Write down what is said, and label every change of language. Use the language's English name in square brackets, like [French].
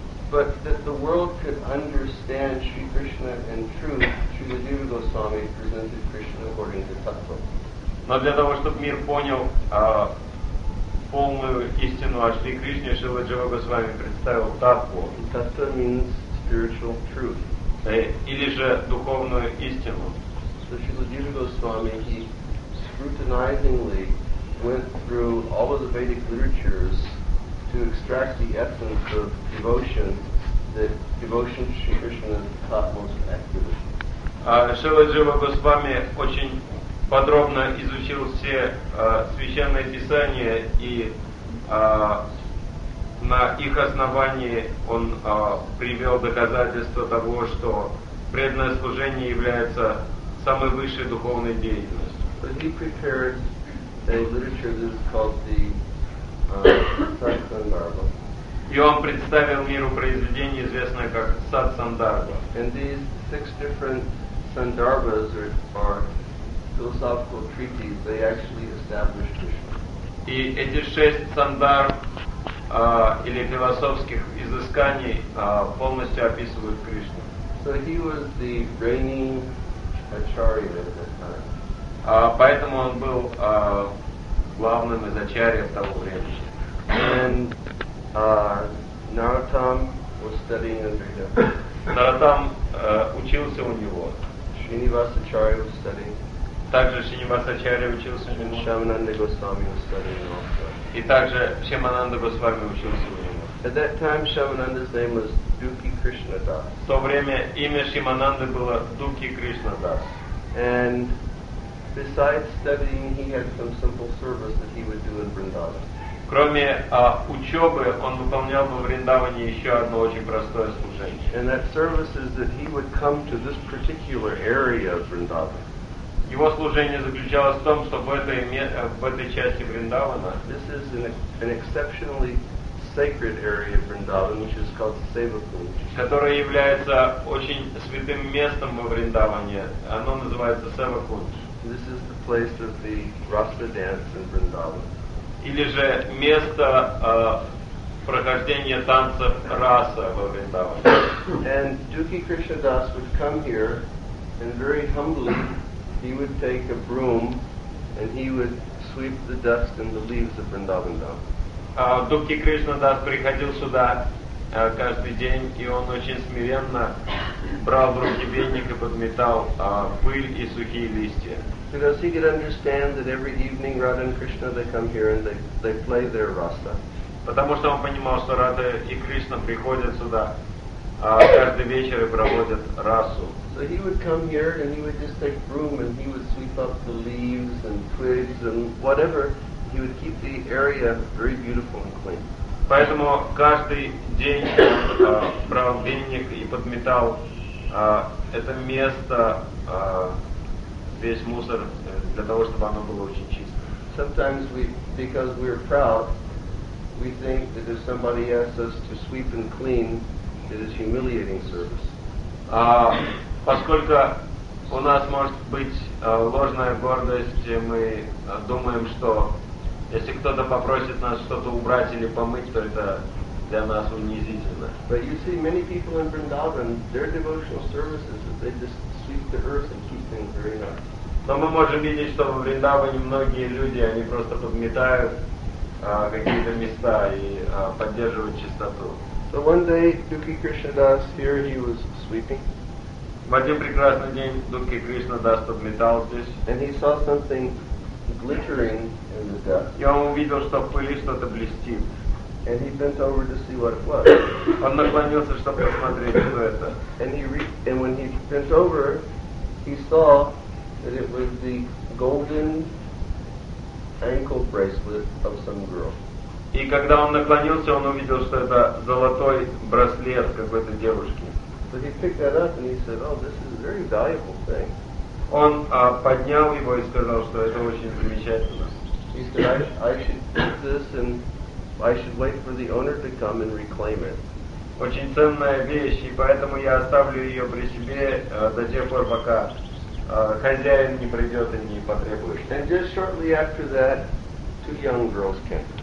[English] But that the world could understand Sri Krishna in truth, Srila Jiva Goswami presented Krishna according to Tattva. [Russian] Но для того, чтобы мир понял полную истину о Шри Кришне, Шрила Джива Госвами представил Таттву. [English] Таттва means spiritual truth. [Russian] Или же духовную истину. [English] So Srila Jiva Goswami, he scrutinizingly went through all of the Vedic literatures to extract the essence of devotion, that devotion to Sri Krishna is the topmost activity. [Russian] Шрила Джива Госвами очень подробно изучил все священные писания, и на их основании он привел доказательства того, что преданное служение является самой высшей духовной деятельностью. [English] But he prepared a literature that is called the Сат-сандарба. [Russian] И он представил миру произведение, известное как Сат-сандарба. [English] And these six different sandarbas are philosophical treaties. They actually established Krishna. [Russian] И эти шесть сандарб или философских изысканий полностью описывают Кришну. [English] So he was the reigning acharya at that time. [Russian] Поэтому он был главным из ачарьев того времени. [English] And Narottam was studying under him. [Russian] Narottam учился у него. [English] Srinivas Acharya was studying. [Russian] Также Шринивасачарья учился у него. [English] Шамананда Госвами was studying also. [Russian] И также Шамананда Госвами учился у него. [English] At that time, Shamananda's name was Duki Krishnadas. [Russian] В то время имя Шримананды было Дуки Кришнадас. [English] And besides studying, he had some simple service that he would do in Vrindavan. [Russian] Кроме учебы, он выполнял во Вриндаване еще одно очень простое служение. [English] And that service is that he would come to this particular area of Vrindavan. [Russian] Его служение заключалось в том, что в этой части Вриндавана. [English] This is an exceptionally sacred area of Vrindavan, which is called Sevapur. [Russian] Которое является очень святым местом во Вриндаване. Оно называется Sevapur. [English] This is the place of the Rasa dance in Vrindavan. [Russian] Или же место прохождения танцев раса во Вриндаване. [English] And Duki Krishnadas would come here and very humbly he would take a broom and he would sweep the dust and the leaves of Vrindavan down. [Russian] Дуки Кришнадас приходил сюда каждый день, и он очень смиренно брал в руки веник и подметал пыль и сухие листья. [English] Because he could understand that every evening Radha and Krishna they come here and they play their rasa. [Russian] Потому что он понимал, что Радха и Кришна приходят сюда каждый вечер и проводят расу. [English] So he would come here and he would just take broom and he would sweep up the leaves and twigs and whatever. He would keep the area very beautiful and clean. [Russian] Поэтому каждый день он брал веник и подметал это место, весь мусор, для того, чтобы оно было очень чисто. [English] Sometimes we, because we are proud, we think that if somebody asks us to sweep and clean, it is humiliating service. [Russian] Поскольку у нас может быть ложная гордость, мы думаем, что если кто-то попросит нас что-то убрать или помыть, то это для нас унизительно. [English] But you see, many people in Vrindavan, their devotional services, they just sweep the earth and keep things very nice. [Russian] Но мы можем видеть, что в Вриндаване многие люди, они просто подметают какие-то места и поддерживают чистоту. [English] So one day, Duki Krishnadas, here he was sweeping. [Russian] В один прекрасный день Дуки Кришнадас подметал здесь. [English] And he saw something glittering in the dust. [Russian] И он увидел, что в пыли что-то блестит. [English] And he bent over to see what it was. [Russian] Он наклонился, чтобы посмотреть, что это. [English] And when he bent over, he saw that it was the golden ankle bracelet of some girl. [Russian] И когда он наклонился, он увидел, что это золотой браслет какой-то девушки. [English] So he picked that up and he said, "Oh, this is a very valuable thing." [Russian] Он поднял его и сказал, что это очень замечательно. [English] He said, "I should keep this and I should wait for the owner to come and reclaim it." [Russian] Очень ценная вещь, и поэтому я оставлю ее при себе до тех пор, пока хозяин не придет и не потребует. [English] And just shortly after that, two young girls came.